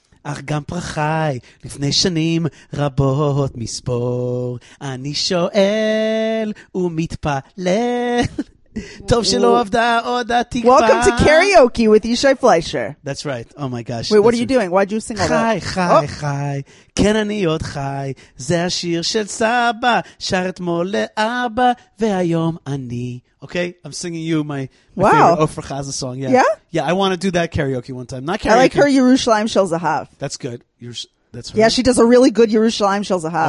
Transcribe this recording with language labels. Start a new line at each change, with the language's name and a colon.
Hebrew: אך גם פרחי, לפני שנים רבות מספור, אני שואל ומתפלל. טוב שלא עבדה עוד התקווה.
English: Welcome to karaoke with Yishai Fleisher. That's right. Oh my gosh. Wait, what are you doing? Why'd you sing all that?
Hebrew: חי, כן אני עוד חי, זה השיר של סבא, שר אתמול לאבא, והיום אני.
English: Okay, I'm singing you my favorite Ofra Chaza song. Yeah. Yeah? Yeah, I want to do that karaoke one time. Not karaoke. I like her Yerushalayim Shel Zahav. That's good. That's her. Yeah, she does a really good Yerushalayim Shel Zahav.